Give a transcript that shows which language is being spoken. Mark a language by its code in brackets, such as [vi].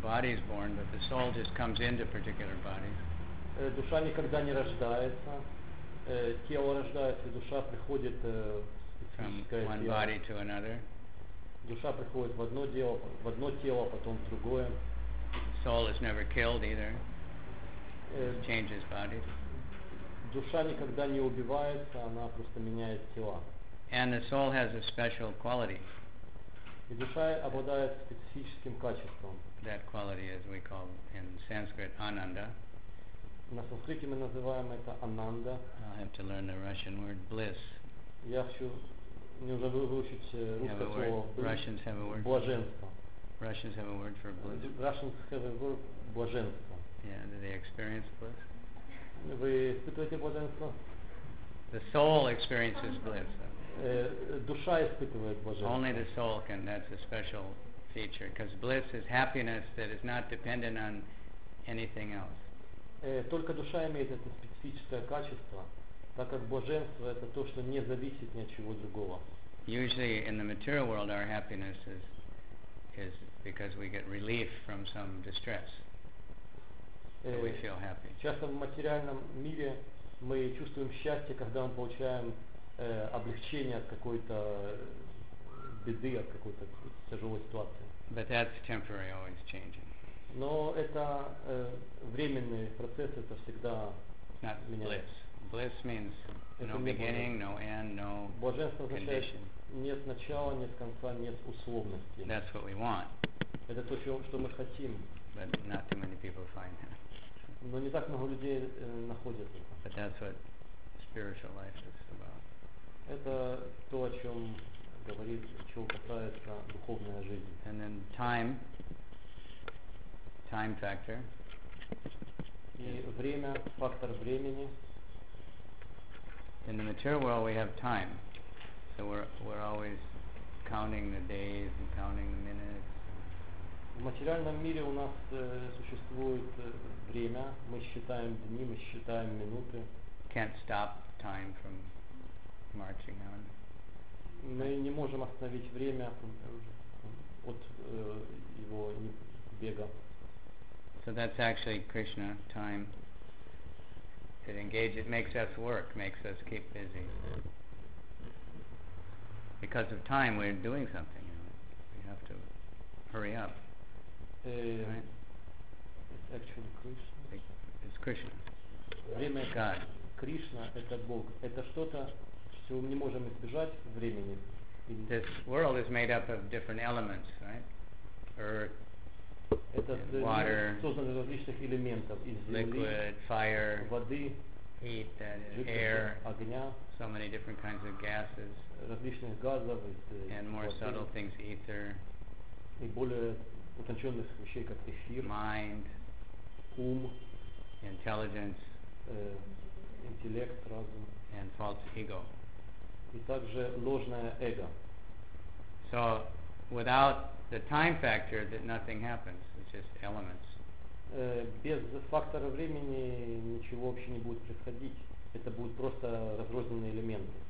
[en] The body is born, but the soul just comes into particular bodies. [ru] Душа никогда не рождается. Тело рождается, душа приходит [en] from one body to another. [ru] Душа приходит в одно тело, потом в другое. [en] Soul is never killed either. It changes bodies. [ru] Душа никогда не убивается, она просто меняет тела. [en] And the soul has a special quality. [ru] И душа обладает специфическим качеством. [en] That quality is we call in Sanskrit ananda. [ru] На санскрите мы называем это ананда. [en] I have to learn the Russian word bliss. [ru] Я хочу не забыл выучить русское слово. [en] Russians have a word. [ru] Блаженство. [en] Russians have a word for bliss. Russians have a word блаженство. Yeah, do they experience bliss? [ru] Вы испытываете блаженство? [en] The soul experiences bliss. [ru] Душа испытывает блаженство. [en] Only the soul can. That's a special. feature, because bliss is happiness that is not dependent on anything else. [ru] Только душа имеет это специфическое качество, так как блаженство это то, что не зависит ни от чего другого. [en] Usually in the material world our happiness is because we get relief from some distress. So we feel happy. [ru] Часто в материальном мире мы чувствуем счастье, когда мы получаем облегчение от какой-то беды, от какой-то тяжелой ситуации. [en] But that's temporary, always changing. [ru] Но это временный процесс, это всегда меняется. [en] Bliss. Bliss means no beginning, no end, no [ru] Блаженство означает [en] condition. [ru] Нет начала, нет конца, нет условности. [en] That's what we want. [ru] Это то, что мы хотим. [en] But not too many people find that. [ru] Но не так много людей находят это. [en] But that's what spiritual life is about. [ru] Это то, о чем говорит, чего касается духовная жизнь. [en] And then time factor. [ru] И время, фактор времени. [en] In the material world we have time. So we're always counting the days and counting the minutes. [ru] В материальном мире у нас существует время. Мы считаем дни, мы считаем минуты. [en] Can't stop time from marching on. [ru] Мы не можем остановить время от его бега. [en] So that's actually Krishna, time. It engages, it makes us work, makes us keep busy. Because of time, we're doing something. You know. We have to hurry up. It's actually Krishna. It's Krishna. [ru] Время [en] God. [ru] Кришна – это Бог. Это что-то, чего мы не можем избежать времени. [en] This world is made up of different elements, right? Earth, [ru] этот [en] water, [ru] создан из различных элементов, из земли, [en] liquid, fire, [ru] воды, [en] heat, that is, air, [ru] огня, [en] so many different kinds of gases, [ru] различных газов, [en] and more subtle things, ether, [ru] и более утонченных вещей, как эфир, [en] mind, [ru] ум, [en] intelligence, [ru] интеллект, разум, [en] and false ego, [ru] и также ложное эго. [en] So without the time factor, that nothing happens. It's just elements. [ru] Без фактора времени ничего вообще не будет происходить. Это будут просто разрозненные элементы.